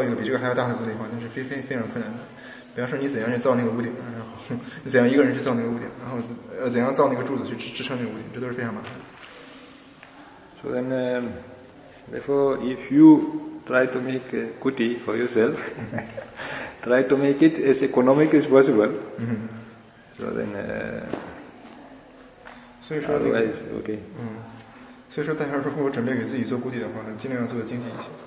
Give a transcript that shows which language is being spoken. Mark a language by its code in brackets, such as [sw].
[zh] 我说那就是从现在的观点来看的话，就是如果没有人赞助的话，就尽靠自己力量去求去造一个比这个还要大的屋顶的话，那是非常困难的。比方说你怎样去造那个屋顶，然后怎样一个人去造那个屋顶，然后怎样造那个柱子去支撑那个屋顶，这都是非常麻烦的。 [en] So then, therefore, if you try to make a kuti for yourself, try to make it as economic as possible. So then, [zh] 所以说大家如果准备给自己做kuti的话，尽量做的经济一些。